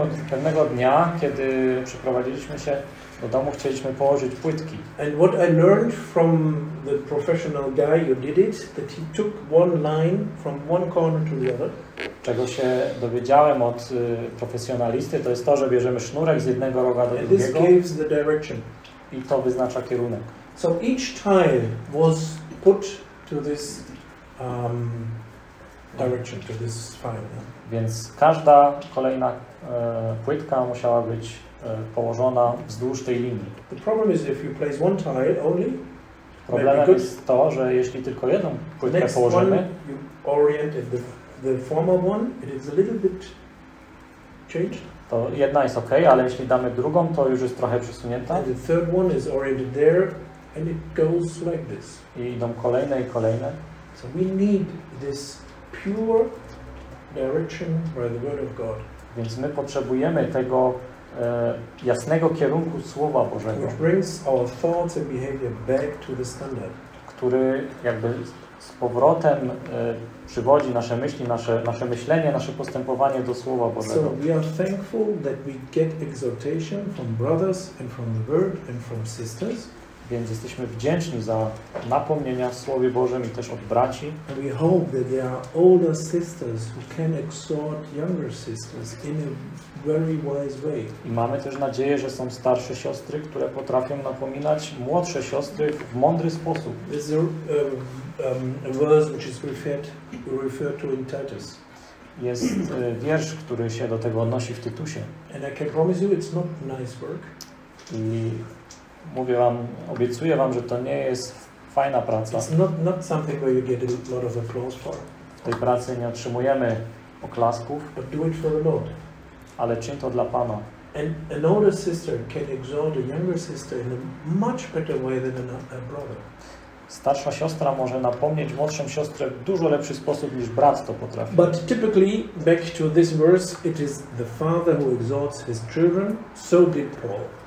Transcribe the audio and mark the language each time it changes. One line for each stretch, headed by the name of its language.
Polish: Pewnego dnia, kiedy przeprowadziliśmy się do domu, chcieliśmy położyć płytki.
English: And what I learned from the professional guy who did it, that he took one line from one corner to the other.
Polish: Czego się dowiedziałem od profesjonalisty, to jest to, że bierzemy sznurek z jednego roga do
English: and
Polish: drugiego.
English: This gives the direction.
Polish: I to wyznacza kierunek.
English: So each tile was put to this direction, to this file. Yeah?
Polish: Więc każda kolejna płytka musiała być położona wzdłuż tej linii.
English: The problem is if you place one tile only.
Polish: Problemem jest to, że jeśli tylko jedną płytkę
English: next
Polish: położymy,
English: one you orient it the former one, it is a little bit changed.
Polish: To jedna jest ok, ale jeśli damy drugą, to już jest trochę przesunięta.
English: And the third one is oriented there, and it goes like this.
Polish: I idą kolejne i kolejne.
English: So we need this pure direction by the word of God.
Polish: Więc my potrzebujemy tego jasnego kierunku Słowa Bożego,
English: which brings our thoughts and behavior back to the standard.
Polish: Który jakby z powrotem przywodzi nasze myśli, nasze myślenie, nasze postępowanie do Słowa Bożego.
English: So we are thankful that we get exhortation from brothers and from the word and from sisters.
Polish: Więc jesteśmy wdzięczni za napomnienia w Słowie Bożym i też od braci.
English: And we hope that there are older sisters who can exhort younger sisters in a very wise way.
Polish: I mamy też nadzieję, że są starsze siostry, które potrafią napominać młodsze siostry w mądry sposób.
English: There's a verse which is referred to in Titus.
Polish: Jest wiersz, który się do tego odnosi w Tytusie.
English: And I can promise you it's not nice work.
Polish: Mówię wam, obiecuję wam, że to nie jest fajna praca.
English: It's not something where you get a lot of applause for.
Polish: W tej pracy nie otrzymujemy oklasków.
English: But do it for the Lord.
Polish: Ale czyń to dla Pana.
English: And an older sister can exhort a younger sister in a much better way than a brother.
Polish: Starsza siostra może napomnieć młodszą siostrę w dużo lepszy sposób niż brat to potrafi.
English: But typically, back to this verse, it is the father who exhorts his children, so did Paul.